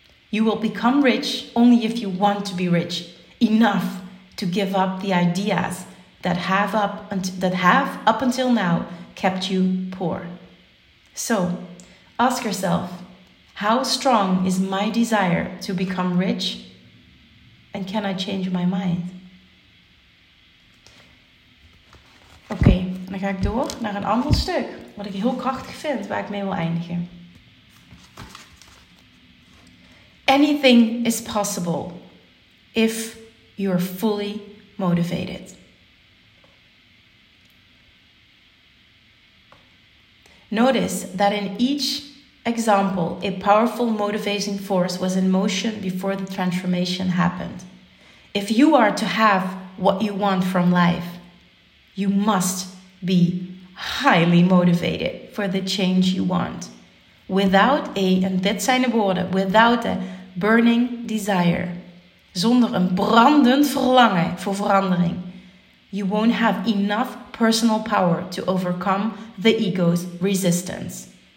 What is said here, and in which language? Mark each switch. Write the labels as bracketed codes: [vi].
[en] You will become rich only if you want to be rich enough to give up the ideas that have up until now kept you poor. So, ask yourself, how strong is my desire to become rich, and can I change my mind? [nl] Oké, okay, dan ga ik door naar een ander stuk, wat ik heel krachtig vind, waar ik mee wil eindigen. [en] Anything is possible if you're fully motivated. Notice that in each example, a powerful motivating force was in motion before the transformation happened. If you are to have what you want from life, you must be highly motivated for the change you want. Without a, and [nl] dit zijn de woorden, [en] without a burning desire, [nl] zonder een brandend verlangen voor verandering, [en] you won't have enough personal power to overcome the ego's resistance.